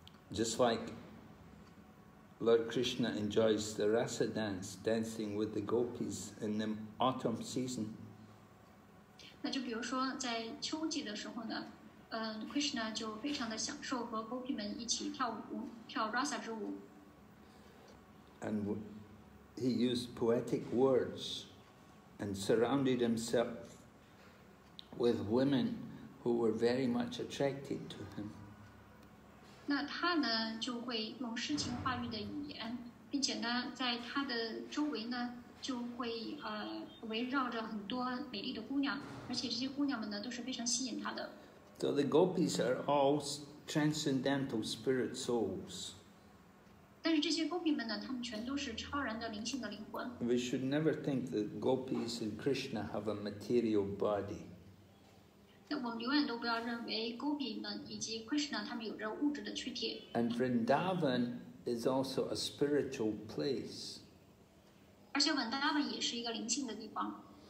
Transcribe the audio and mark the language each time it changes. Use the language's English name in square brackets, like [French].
[English] Just like Lord Krishna enjoys the rasa dance, dancing with the gopis in the autumn season. [Chinese] 那就比如说在秋季的时候呢， Krishna 就非常的享受和 Gopi 们一起跳舞，跳 Rasa 之舞。 [English] And he used poetic words and surrounded himself with women who were very much attracted to him. [Chinese] 那他呢就会用诗情画意的语言，并且呢在他的周围呢就会围绕着很多美丽的姑娘，而且这些姑娘们呢都是非常吸引他的。 [English] So the gopis are all transcendental spirit souls. [Chinese] 但是这些 gopi 们呢，他们全都是超然的灵性的灵魂。 [English] We should never think that gopis and Krishna have a material body. [Chinese] 那我们永远都不要认为 gopi 们以及 Krishna 他们有着物质的躯体。 [English] And Vrindavan is also a spiritual place. [Chinese] 而且 Vrindavan 也是一个灵性的地方。